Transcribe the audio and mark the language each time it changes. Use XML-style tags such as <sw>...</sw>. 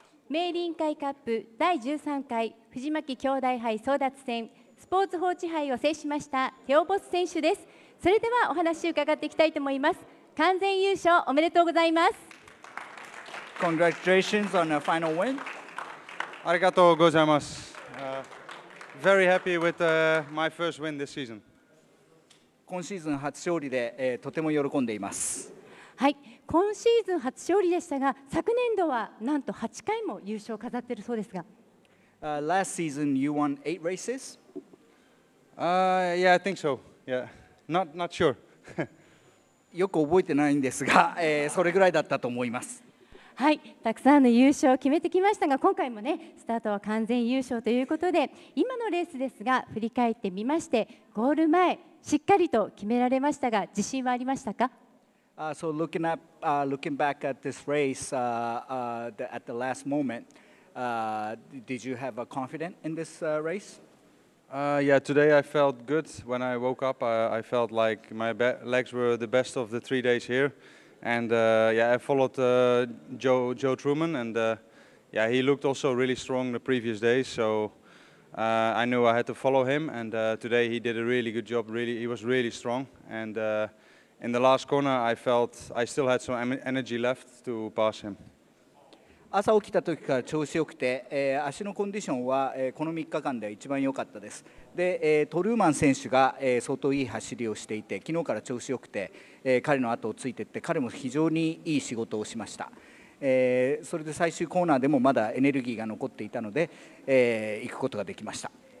<ja>明倫会カップ第13回藤巻兄弟杯争奪戦スポーツ報知杯を制しましたテオボス選手です。それではお話を伺っていきたいと思います。完全優勝おめでとうございます。</ja> <en>Congratulations on a final win.</en> <ja>ありがとうございます。</ja> <en>Very happy with my first win this season.</en> <ja>今シーズン初勝利で、とても喜んでいます。はい、今シーズン初勝利でしたが、昨年度はなんと8回も優勝を飾っているそうですが、</ja> <en>Last season you won 8 races? Yeah, I think so. Yeah, not sure.</en> <ja>よく覚えてないんですが、それぐらいだったと思います。はい、たくさんの優勝を決めてきましたが、今回もね、スタートは完全優勝ということで、今のレースですが、振り返ってみまして、ゴール前しっかりと決められましたが、自信はありましたか？</ja> <en>So looking back at this race, at the last moment, did you have a confidence in this race? Yeah, today I felt good. When I woke up, I felt like my legs were the best of the 3 days here. And yeah, I followed Joe Truman, and yeah, he looked also really strong the previous days. So I knew I had to follow him, and today he did a really good job. Really, he was really strong. And in the last corner, I felt I still had some energy left to pass him.</en> <ja>朝起きた時から調子良くて、足のコンディションは、この3日間で一番良かったです。で、トルーマン選手が、相当いい走りをしていて、昨日から調子良くて、彼の後をついていって、彼も非常にいい仕事をしました。それで最終コーナーでもまだエネルギーが残っていたので、行くことができました。</ja>